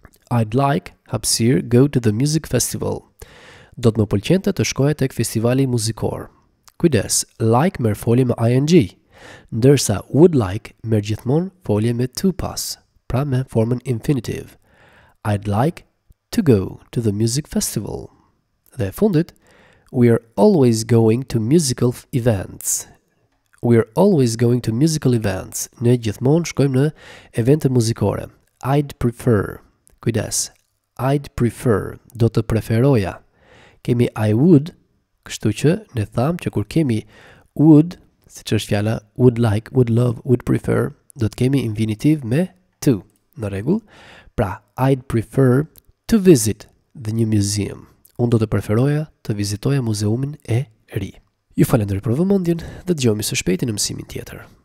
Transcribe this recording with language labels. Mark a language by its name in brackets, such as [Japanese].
[English] I'd like, hapsir, go to the music festival. [Albanian] Do të më pëlqente të shkoja tek festivali muzikor. Kujdes, like merr folje me ing, ndërsa would like merr gjithmonë folje me to pas, pra me formën infinitive. [English] I'd like to go to the music festival. [Albanian] Dhe fundit, [English] we are always going to musical events. We are always going to musical events. [Albanian] Ne gjithmonë shkojmë në evente muzikore. [English] I'd prefer. [Albanian] Kujdes, [English] I'd prefer. [Albanian] Do të preferoja. Kemi I would, Kështu që ne thamë që kur kemi would, siç është fjala would like, would love, would prefer, do të kemi infinitiv me to. Në rregull? Pra, [English] I'd prefer to visit the new museum. [Albanian] Unë do të preferoja të vizitoja muzeumin e ri. Ju falenderoj për vëmendjen dhe dëgjojmë së shpejti në mësimin tjetër.